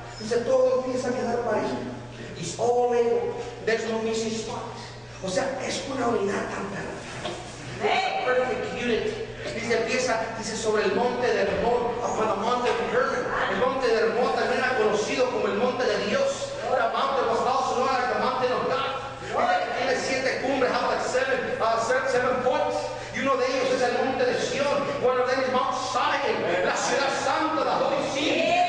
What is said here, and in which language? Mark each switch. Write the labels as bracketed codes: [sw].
[es] Dice, todo empieza a quedar parejo. [en] It's all in, there's no missing spots. [es] O sea, es una unidad tan perfecta. [en] Perfect unity. [es] Dice, empieza, dice, sobre el monte de Hermón, [en] upon the Mount of Hermon. [es] El monte de Hermón también era conocido como el monte de Dios. [en] The mountain was also known as the mountain of God. [es] Tiene siete cumbres, [en] how like seven points. [es] Y uno de ellos es el monte de Sion. [en] One of them is Mount Zion, [es] la ciudad santa, la [en] holy city.